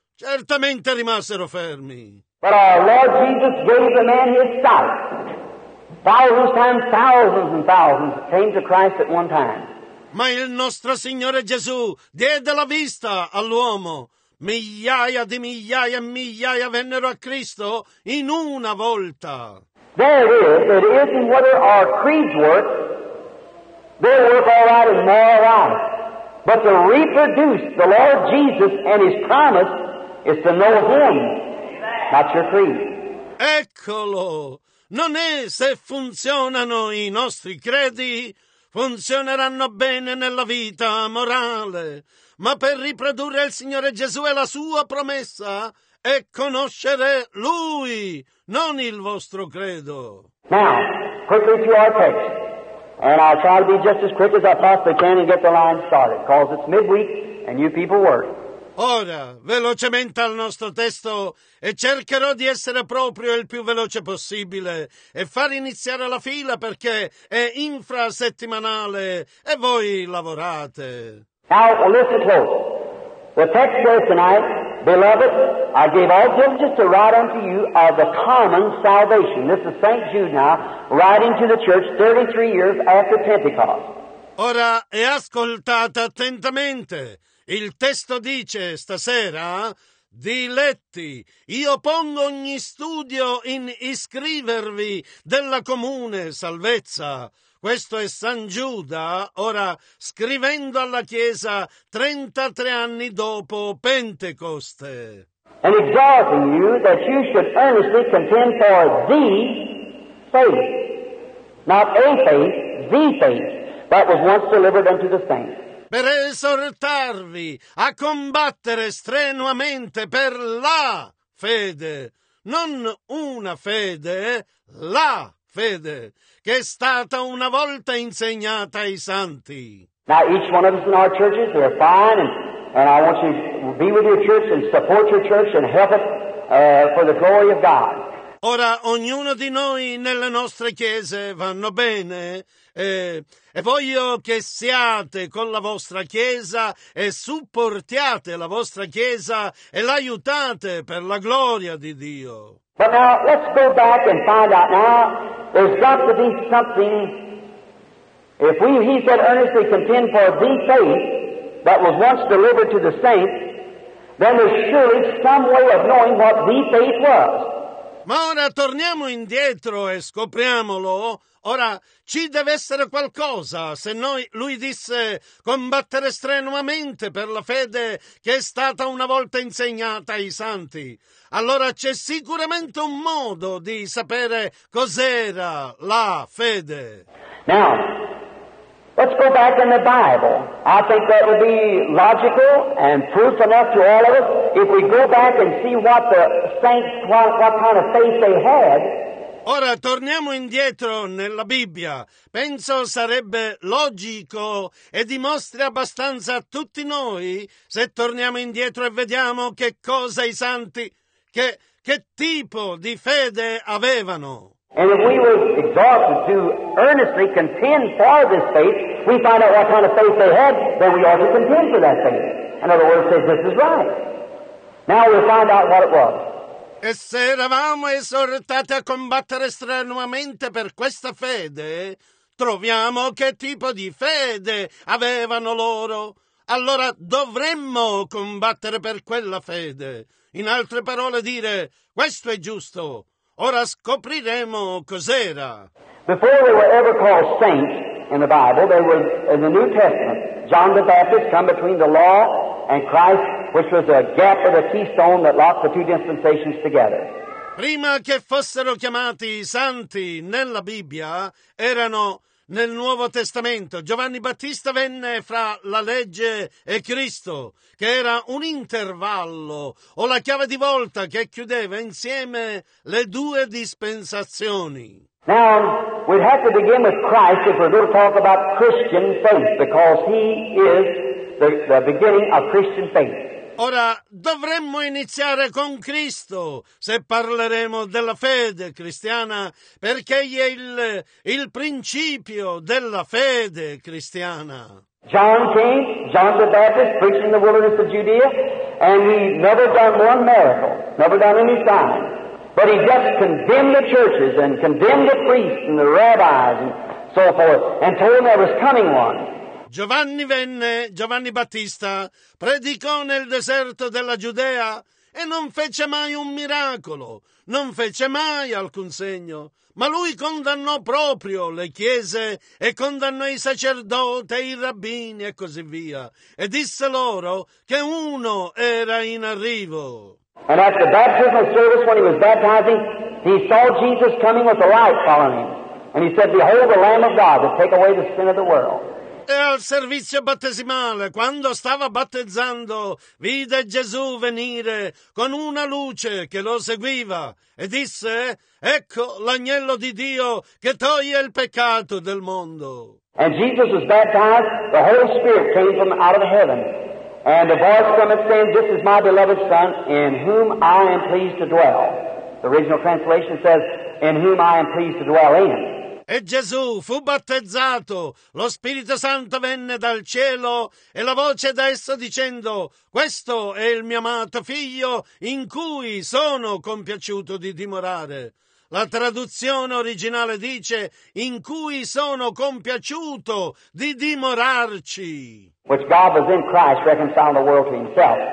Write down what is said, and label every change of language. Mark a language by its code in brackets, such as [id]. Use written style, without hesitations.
[it] Certamente rimasero fermi. [en] But our Lord Jesus gave the man his sight. Thousands times, thousands and thousands came to Christ at one time. [it] Ma il nostro Signore Gesù diede la vista all'uomo. Migliaia di migliaia e migliaia vennero a Cristo in una volta. [en] There it is in whether our creeds work. They work all right in moral life. But to reproduce the Lord Jesus and his promise is to know him, not your creed. [it] Eccolo! Non è se funzionano i nostri credi, funzioneranno bene nella vita morale, ma per riprodurre il Signore Gesù e la sua promessa è conoscere Lui, non il vostro credo. [en] Now, quickly to our text, and I'll try to be just as quick as I possibly can and get the line started, because it's midweek and you people work. [it] Ora, velocemente al nostro testo, e cercherò di essere proprio il più veloce possibile e far iniziare la fila perché è infrasettimanale e voi lavorate. [en] Now, listen close. The text says tonight, beloved, I gave all diligence to write unto you of the common salvation. This is St. Jude now, writing to the church 33 years after Pentecost. [it] Ora, e ascoltate attentamente. Il testo dice stasera, diletti, io pongo ogni studio in iscrivervi della comune salvezza. Questo è San Giuda, ora scrivendo alla Chiesa 33 anni dopo Pentecoste. [en] And exhorting you that you should earnestly contend for the faith, not a faith, the faith, that was once delivered unto the saints. [it] Per esortarvi a combattere strenuamente per la fede, non una fede, la fede, che è stata una volta insegnata ai santi. [en] Now each one of us in our churches, we're fine, and I want you to be with your church and support your church and help it for the glory of God. [it] Ora, ognuno di noi nelle nostre chiese vanno bene, e voglio che siate con la vostra chiesa e supportiate la vostra chiesa e l'aiutate per la gloria di Dio. [en] But now, let's go back and find out now, there's got to be something, if we, he said, earnestly contend for the faith that was once delivered to the saints, then there's surely some way of knowing what the faith was. [it] Ma ora torniamo indietro e scopriamolo. Ora ci deve essere qualcosa, se noi, lui disse, combattere strenuamente per la fede che è stata una volta insegnata ai santi. Allora c'è sicuramente un modo di sapere cos'era la fede. [en] Now, let's go back in the Bible. I think that would be logical and proof enough to all of us if we go back and see what the saints, what kind of faith they had. [it] Ora torniamo indietro nella Bibbia. Penso sarebbe logico e dimostri abbastanza a tutti noi se torniamo indietro e vediamo che cosa i santi, che tipo di fede avevano. [en] And if we were exhausted to earnestly contend for this faith, we find out what kind of faith they had, then we ought to contend for that faith. In other words, says this is right. Now we'll find out what it was. [it] E se eravamo esortati a combattere strenuamente per questa fede, troviamo che tipo di fede avevano loro. Allora dovremmo combattere per quella fede. In altre parole dire, questo è giusto, ora scopriremo cos'era. [en] Before they were ever called saints in the Bible, they were in the New Testament. John the Baptist come between the law and Christ, which was a gap or the keystone that locked the two dispensations together. [it] Prima che fossero chiamati santi nella Bibbia, erano nel Nuovo Testamento. Giovanni Battista venne fra la legge e Cristo, che era un intervallo o la chiave di volta che chiudeva insieme le due dispensazioni. [en] Now, we'd have to begin with Christ if we're going to talk about Christian faith, because he is the beginning of Christian faith. [it] Ora, dovremmo iniziare con Cristo, se parleremo della fede cristiana, perché egli è il principio della fede cristiana. [en] John came, John the Baptist, preaching in the wilderness of Judea, and he never done one miracle, never done any sign. But he just condemned the churches, and condemned the priests, and the rabbis, and so forth, and told them there was coming one. [it] Giovanni venne, Giovanni Battista, predicò nel deserto della Giudea e non fece mai un miracolo, non fece mai alcun segno, ma lui condannò proprio le chiese e condannò i sacerdoti, i rabbini e così via, e disse loro che uno era in arrivo. [en] And at the baptismal service, when he was baptizing, he saw Jesus coming with a light following him. And he said, Behold the Lamb of God that take away the sin of the world. [it] E al servizio battesimale, quando stava battezzando, vide Gesù venire con una luce che lo seguiva e disse, ecco l'agnello di Dio che toglie il peccato del mondo. [en] And Jesus was baptized, the Holy Spirit came from out of heaven. And the voice came and said, This is my beloved Son, in whom I am pleased to dwell. The original translation says, in whom I am pleased to dwell in. [it] E Gesù fu battezzato, lo Spirito Santo venne dal cielo e la voce da esso dicendo, questo è il mio amato figlio in cui sono compiaciuto di dimorare. La traduzione originale dice, in cui sono compiaciuto di dimorarci. [en] Which God was in Christ reconciling the world to himself.